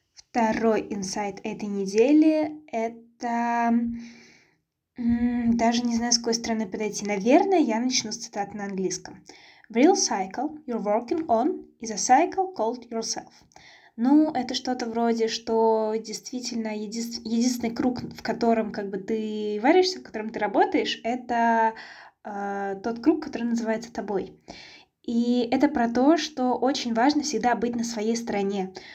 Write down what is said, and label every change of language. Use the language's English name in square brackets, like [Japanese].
[Russian] Второй инсайт этой недели — это... даже не знаю, с какой стороны подойти. Наверное, я начну с цитаты на английском. [English] Real cycle you're working on is a cycle called yourself. [Russian] Ну, это что-то вроде, что действительно единственный круг, в котором как бы ты варишься, в котором ты работаешь, это тот круг, который называется тобой. И это про то, что очень важно всегда быть на своей стороне.